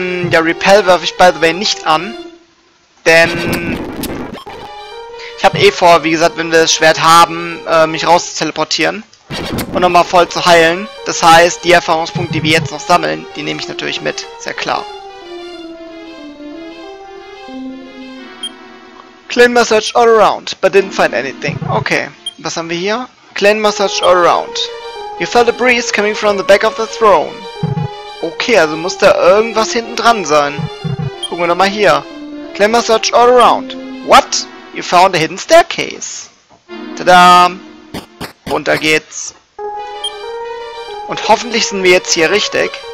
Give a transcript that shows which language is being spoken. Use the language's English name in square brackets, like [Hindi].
[German] Ja, Repel werfe ich, [English] by the way, [German] nicht an. Denn... ich habe eh vor, wie gesagt, wenn wir das Schwert haben, mich raus zu teleportieren und nochmal voll zu heilen. Das heißt, die Erfahrungspunkte, die wir jetzt noch sammeln, die nehme ich natürlich mit, sehr klar. [English] Clean Massage all around, but didn't find anything. [German] Okay, was haben wir hier? [English] Clean Massage all around. You felt a breeze coming from the back of the throne. [German] Okay, also muss da irgendwas hinten dran sein. Gucken wir nochmal hier. [English] Clean Massage all around. What? You found a hidden staircase. Tada! [German] Runter geht's. Und hoffentlich sind wir jetzt hier richtig.